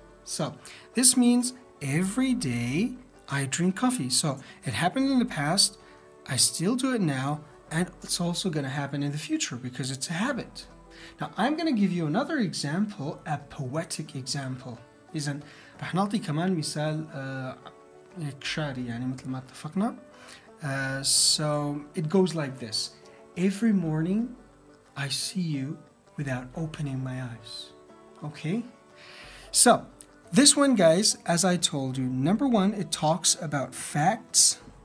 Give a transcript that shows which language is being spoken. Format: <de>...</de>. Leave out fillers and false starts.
<en>So, this means every day I drink coffee. So, it happened in the past, I still do it now, and it's also going to happen in the future because it's a habit. Now, I'm going to give you another example, a poetic example.</en> <ar>رح نعطي كمان مثال شعري يعني مثل ما اتفقنا.</ar> <en>So it goes like this. Every morning I see you without opening my eyes. Okay? So this one, guys, as I told you, number one, it talks about facts.</en>